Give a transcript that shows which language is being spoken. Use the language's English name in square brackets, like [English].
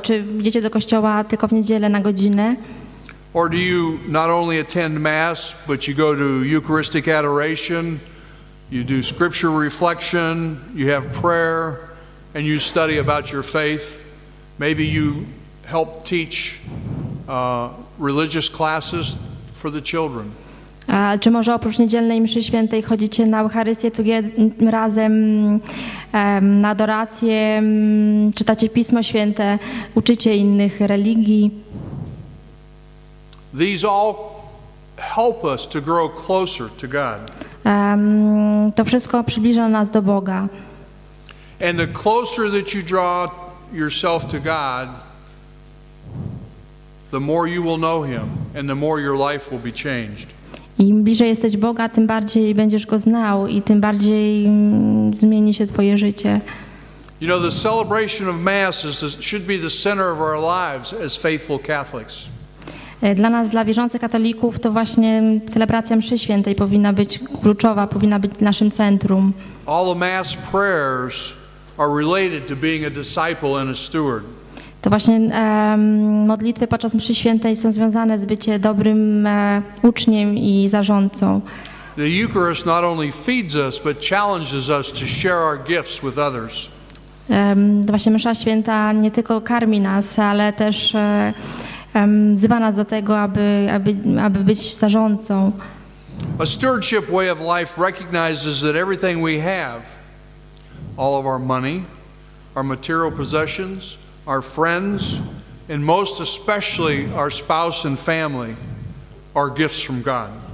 [Polish] Czy idziecie do kościoła tylko w niedzielę na godzinę? [English] Or do you not only attend Mass, but you go to Eucharistic adoration, you do scripture reflection, you have prayer, and you study about your faith. Maybe you help teach religious classes for the children. [Polish] Czy może oprócz niedzielnej mszy świętej chodzicie na Eucharystię tu razem, na adorację, czytacie Pismo Święte, uczycie innych religii? [English] These all help us to grow closer to God. [Polish] To wszystko przybliża nas do Boga. [English] And the closer that you draw yourself to God, the more you will know Him, and the more your life will be changed. [Polish] Im bliżej jesteś Boga, tym bardziej będziesz Go znał i tym bardziej zmieni się Twoje życie. [English] You know, the celebration of Mass should be the center of our lives as faithful Catholics. [Polish] Dla nas, dla wierzących katolików, to właśnie celebracja mszy świętej powinna być kluczowa, powinna być naszym centrum. [English] All the Mass prayers are related to being a disciple and a steward. [Polish] To właśnie modlitwy podczas mszy świętej są związane z byciem dobrym uczniem i zarządcą. [English] The Eucharist not only feeds us, but challenges us to share our gifts with others. [Polish] To właśnie msza święta nie tylko karmi nas, ale też wzywa nas do tego, aby być zarządcą. [English] A stewardship way of life recognizes that everything we have, all of our money, our material possessions, our friends, and most especially our spouse and family, are gifts from God.